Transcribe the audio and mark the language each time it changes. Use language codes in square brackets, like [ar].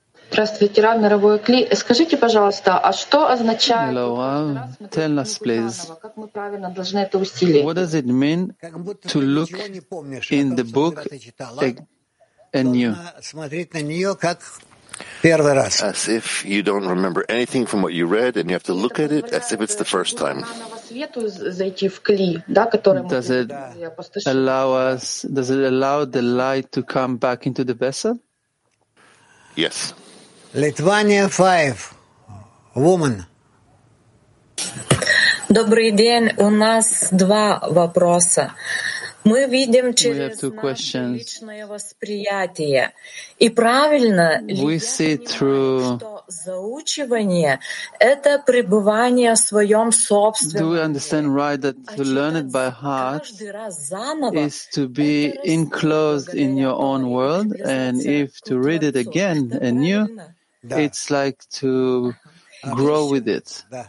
[ru] Здравствуйте, Рав, мировой кли. Скажите, пожалуйста, а что означает? [en] Hello, tell us, please. [ru] Как мы правильно должны это усилить? [en] What does it mean to look in the book anew? [ru] Смотреть на нее как первый раз. [en] As if you don't remember anything from what you read, and you have to look at it as if it's the first time. Does it allow us? Does it allow the light to come back into the vessel? Yes. Lithuania 5. Woman. [ru] Добрый день. У нас два вопроса. Мы видим через наше личное восприятие. И правильно ли я понимаю, [en] through... [ru] что заучивание — это пребывание в своем собственном? [en] Do we understand right that to learn it by heart is to be enclosed in your own world, and if to read it again anew, it's like to grow with it.